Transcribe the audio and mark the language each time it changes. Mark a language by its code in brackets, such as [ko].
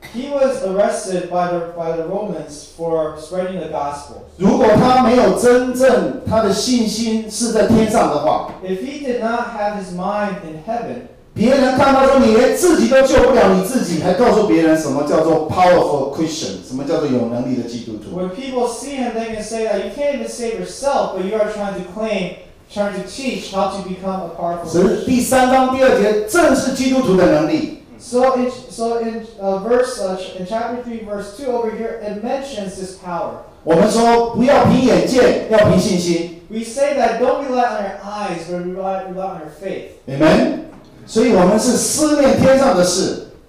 [en] He was arrested by the Romans for spreading the gospel. [zh] 如果他没有真正他的信心是在天上的话, [en] if he did not have his mind in heaven, [zh] 别人看到说你连自己都救不了你自己, 还告诉别人什么叫做 [en] powerful Christian, [zh] 什么叫做有能力的基督徒。 [en] When people see him, they can say that you can't even save yourself, but you are trying to claim, trying to teach how to become a powerful Christian. [zh] 第三章第二节正是基督徒的能力。 [en] So in chapter 3, verse 2 over here, it mentions this power. [zh] 我们说不要凭眼见，要凭信心。 [en] We say that don't rely on our eyes, but rely on our faith. Amen. [zh] 所以我们是思念天上的事。